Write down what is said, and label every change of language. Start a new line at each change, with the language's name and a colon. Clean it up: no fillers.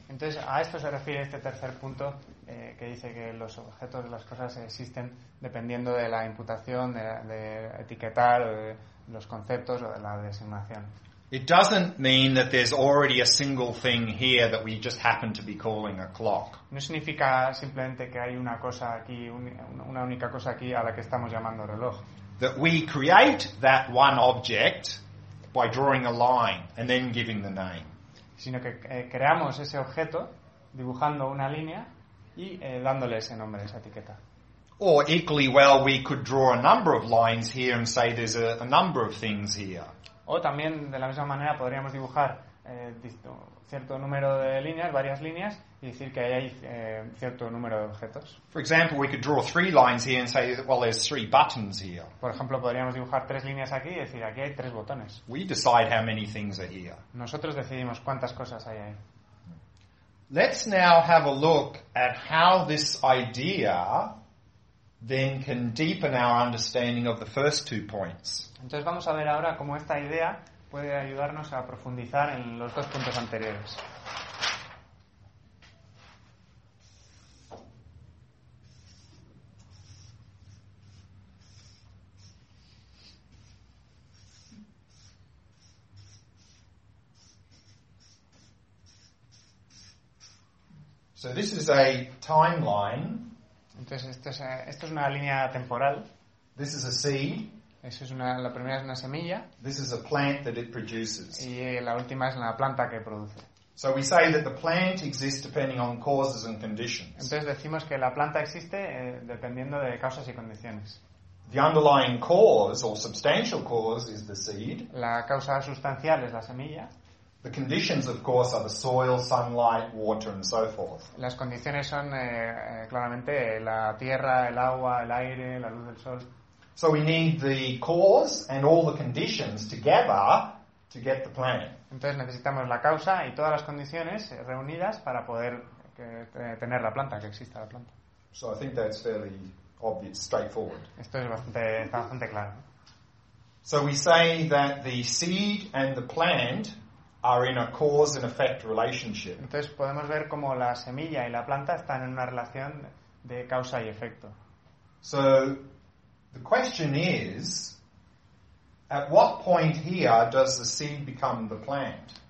Spanish: Entonces a esto se refiere este tercer punto que dice que los objetos, las cosas existen dependiendo de la imputación, de etiquetar, de los conceptos o de la designación.
English: It doesn't mean that there's already a single thing here that we just happen to be calling a clock.
Spanish: No significa simplemente que hay una cosa aquí, una única cosa aquí a la que estamos llamando reloj.
English: That we create that one object by drawing a line and then giving the name.
Spanish: Sino que creamos ese objeto dibujando una línea y dándole ese nombre, esa etiqueta.
English: Or equally well, we could draw a number of lines here and say there's a number of things here.
Spanish: O también, de la misma manera, podríamos dibujar cierto número de líneas, varias líneas, y decir que hay cierto número de objetos.
English: For example, we could draw three lines here and say, well, there's three buttons here.
Spanish: Por ejemplo, podríamos dibujar tres líneas aquí y decir, aquí hay tres botones.
English: We decide how many things are here.
Spanish: Nosotros decidimos cuántas cosas hay ahí.
English: Let's now have a look at how this idea then can deepen our understanding of the first two points.
Spanish: Entonces vamos a ver ahora cómo esta idea puede ayudarnos a profundizar en los dos puntos anteriores.
English: So this is a timeline.
Spanish: Entonces esto es una línea temporal.
English: This is a seed.
Spanish: Eso es la primera es una semilla.
English: This is a plant that it produces.
Spanish: Y la última es la planta que produce.
English: So we say that the plant exists depending on causes and conditions.
Spanish: Entonces decimos que la planta existe dependiendo de causas y condiciones.
English: The underlying cause or substantial cause is the seed.
Spanish: La causa sustancial es la semilla.
English: The conditions, of course, are the soil, sunlight, water, and so forth.
Spanish: Las condiciones son claramente la tierra, el agua, el aire, la luz del sol.
English: So we need the cause and all the conditions together to get the planet.
Spanish: Entonces necesitamos la causa y todas las condiciones reunidas para poder tener la planta, que exista la planta.
English: So I think that's fairly obvious, straightforward.
Spanish: Esto es bastante, está bastante claro.
English: So we say that the seed and the plant are in a cause and effect relationship.
Spanish: Entonces podemos ver cómo la semilla y la planta están en una relación de causa y efecto.
English: So the question is, at what point here does the seed become the plant?